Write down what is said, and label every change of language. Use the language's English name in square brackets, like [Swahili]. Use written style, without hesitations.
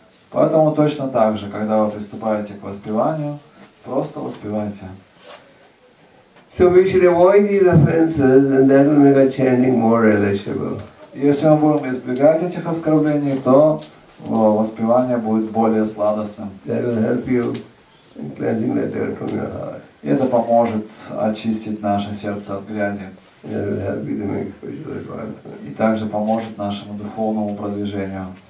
[Russian] поэтому точно так же, когда вы приступаете к воспеванию, просто воспевайте. [English] So we should avoid these offenses, and that will make our chanting more relishable. [Russian] Если мы будем избегать этих оскорблений, то воспевание будет более сладостным. [English] That will help you in cleansing the dirt from your heart. [Russian] И это поможет очистить наше сердце от грязи. И также поможет нашему духовному продвижению.